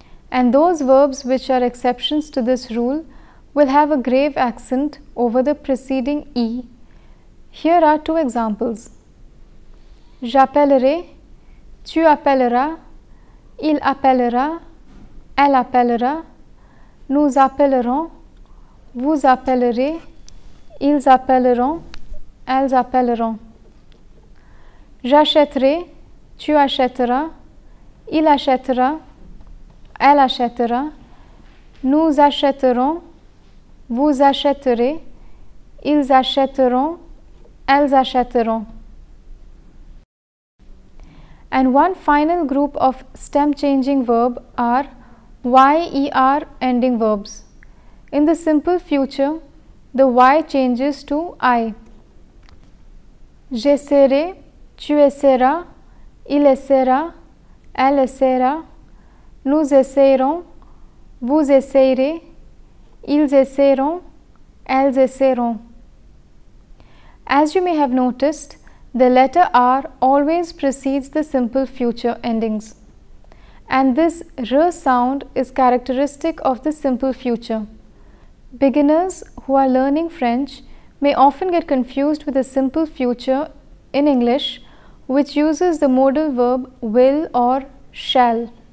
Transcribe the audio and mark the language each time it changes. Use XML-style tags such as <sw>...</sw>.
<en>And those verbs which are exceptions to this rule will have a grave accent over the preceding E. Here are two examples.</en> <fr>J'appellerai, tu appelleras, il appellera, elle appellera, nous appellerons, vous appellerez, ils appelleront, elles appelleront. J'achèterai, tu achèteras, il achètera, elle achètera, nous achèterons, vous achèterez, ils achèteront, elles achèteront.</fr> <en>And one final group of stem changing verb are YER ending verbs. In the simple future, the Y changes to I.</en> <fr>J'essaierai, tu essaieras, il essaiera, elle essaiera, nous essayerons, vous essayerez, ils essayeront, elles essayeront.</fr> <en>As you may have noticed, the letter R always precedes the simple future endings. And this R sound is characteristic of the simple future. Beginners who are learning French may often get confused with the simple future in English, which uses the modal verb will or shall.</en>